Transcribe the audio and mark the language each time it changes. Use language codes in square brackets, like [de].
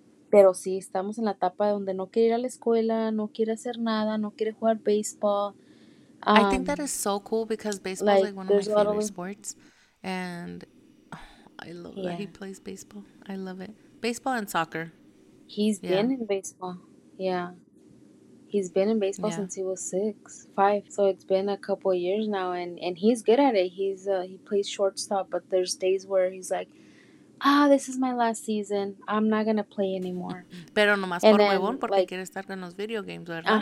[es] Pero sí, estamos en la etapa donde no quiere ir a la escuela, no quiere hacer nada, no quiere jugar baseball. [en] I think that is so cool because baseball is, like, one of my favorite sports. And I love that he plays baseball. I love it. Baseball and soccer. He's been in baseball. He's been in baseball since he was five. So it's been a couple of years now, and he's good at it. He plays shortstop, but there's days where he's like, ah, this is my last season. I'm not going to play anymore. [es] Pero nomás por huevón, porque like, quiere estar con los video games, ¿verdad?